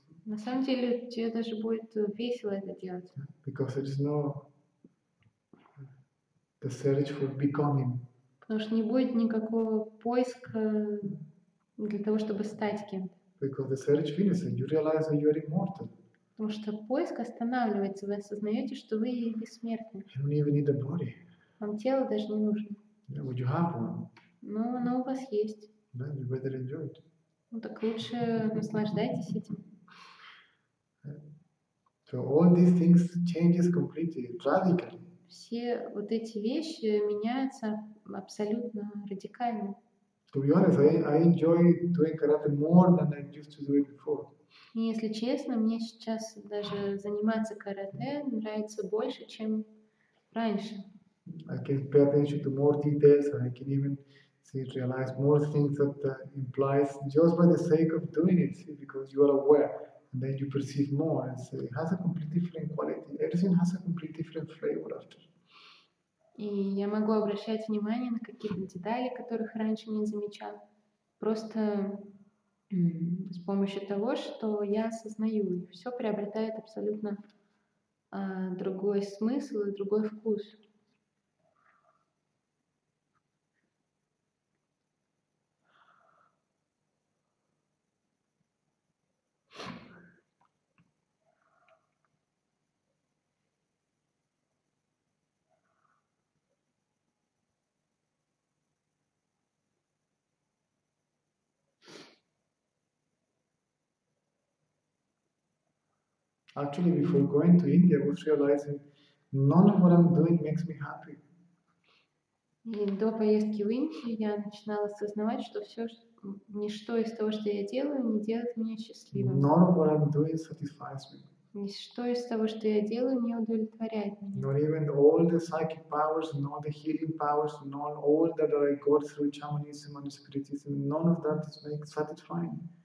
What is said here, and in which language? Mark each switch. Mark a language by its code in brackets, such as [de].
[ru] На самом деле, тебе даже будет весело это делать. [en] Because it is not the search for becoming. [ru] Потому что не будет никакого поиска для того, чтобы стать кем-то. [en] Because the search finishes, you realize that you are immortal. [ru] Потому что поиск останавливается, вы осознаете, что вы бессмертны. [en] You don't even need a body. [ru] Вам тело даже не нужно. [en] Yeah, but you have one. [ru] Но оно у вас есть. [en] Then you better enjoy it. [ru] Ну так лучше наслаждайтесь этим. [en] So all these things changes completely, radically. [ru] Все вот эти вещи меняются абсолютно радикально. [en] To be honest, I enjoy doing karate more than I used to do it before. [ru] И если честно, мне сейчас даже заниматься карате нравится больше, чем раньше. [en] I can pay attention to more details, and I can even see, realize more things that implies just by the sake of doing it, see, because you are aware. And then you perceive more and say it has a completely different quality. Everything has a completely different flavor after. [ru] И я могу обращать внимание на какие-то детали, которых раньше не замечал, просто с помощью того, что я осознаю, и все приобретает абсолютно другой смысл и другой вкус. [en] Actually, before going to India, I was realizing none of what I'm doing makes me happy. [ru] И до поездки в Индию я начинала осознавать, что все, ничто из того, что я делаю, не делает меня счастливым. [en] None of what I'm doing satisfies me. [ru] Ничто из того, что я делаю, не удовлетворяет меня. [en] Not even all the psychic powers, not the healing powers, not all that I got through shamanism and spiritism, none of that is making satisfying.